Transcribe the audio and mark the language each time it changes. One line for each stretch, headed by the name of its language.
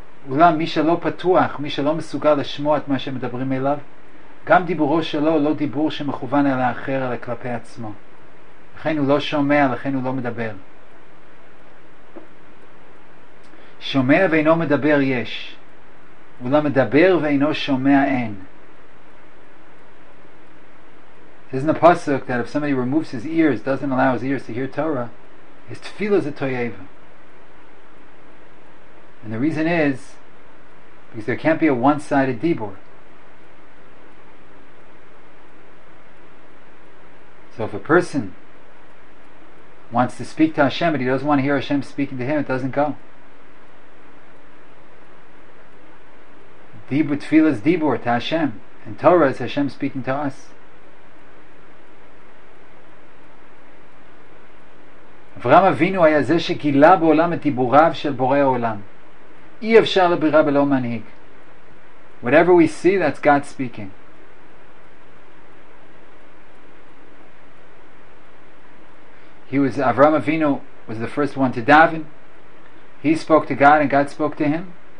Hebrew: אולם מי שלא פתוח, מי שלא מסוגל לשמוע את מה שמדברים אליו, גם דיבורו שלו לא דיבור שמכוון אל האחר, אלא כלפי עצמו. לכן הוא לא שומע, לכן הוא לא מדבר. שומע ואינו מדבר יש, אולם מדבר ואינו שומע אין.
English: There's a pasuk that if somebody removes his ears, doesn't allow his ears to hear Torah, his tefillah is a toyeva. And the reason is because there can't be a one-sided dibur. So if a person wants to speak to Hashem but he doesn't want to hear Hashem speaking to him, it doesn't go. Dibur tefillah is dibur to Hashem, and Torah is Hashem speaking to us.
Hebrew: אברהם אבינו היה זה שגילה בעולם את דיבוריו של בורא העולם. אי אפשר לבירה בלא מנהיג.
English: Whatever we see, that's God speaking. Avraham Avinu was the first one to daven. He spoke to God and God spoke to him.